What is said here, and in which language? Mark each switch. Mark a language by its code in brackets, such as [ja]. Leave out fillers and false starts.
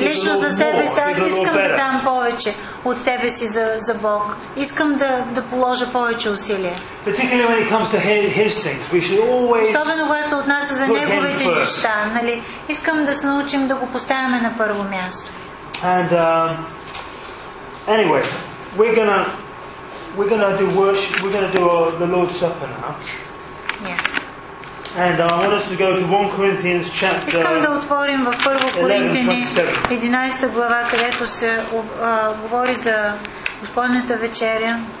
[bg] лично за себе си, аз искам [en] better. [bg] Да дам повече от себе си за Бог. Искам да положа повече усилия. [en] Particularly when it comes to his things, we should always. [bg] Особено когато се отнася за неговите неща, нали, искам да се научим да го поставяме на първо място. [en] And anyway, We're gonna do worship. We're gonna do the Lord's Supper now. Yeah. And I want us to go to 1 Corinthians chapter 11. [bg] Искам да отворим в 1 Коринтяни 11-та глава, където се говори за Господната вечеря.